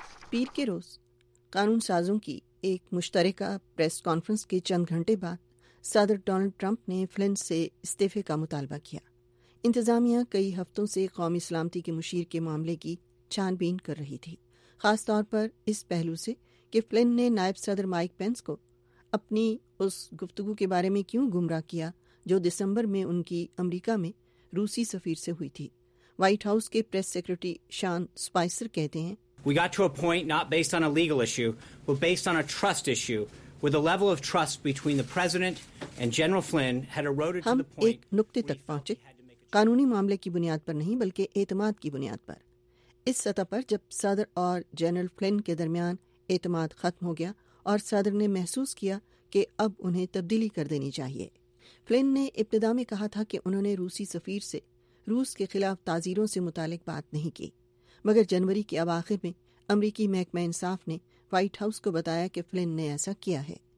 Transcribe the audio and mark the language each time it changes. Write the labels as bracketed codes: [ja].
[ur] پیر کے روز قانون سازوں کی ایک مشترکہ پریس کانفرنس کے چند گھنٹے بعد صدر ڈونلڈ ٹرمپ نے فلن سے استعفے کا مطالبہ کیا۔ انتظامیہ کئی ہفتوں سے قومی سلامتی کے مشیر کے معاملے کی چھان بین کر رہی تھی، خاص طور پر اس پہلو سے کہ فلن نے نائب صدر مائک پینس کو اپنی اس گفتگو کے بارے میں کیوں گمراہ کیا جو دسمبر میں ان کی امریکہ میں روسی سفیر سے ہوئی تھی۔ وائٹ ہاؤس کے پریس سیکرٹری شان سپائسر کہتے ہیں، [en] We got to a point not based on a legal issue, but based on a trust issue, where the level of trust between the president and General Flynn had eroded to the point... [ur] ہم ایک نقطے تک پہنچے، قانونی معاملے کی بنیاد پر نہیں بلکہ اعتماد کی بنیاد پر۔ اس سطح پر جب صدر اور جنرل فلن کے درمیان اعتماد ختم ہو گیا اور صدر نے محسوس کیا کہ اب انہیں تبدیلی کر دینی چاہیے۔ فلن نے ابتدا میں کہا تھا کہ انہوں نے روسی سفیر سے روس کے خلاف تعزیروں سے متعلق بات نہیں کی، مگر جنوری کے اواخر میں امریکی محکمہ انصاف نے وائٹ ہاؤس کو بتایا کہ فلن نے ایسا کیا ہے۔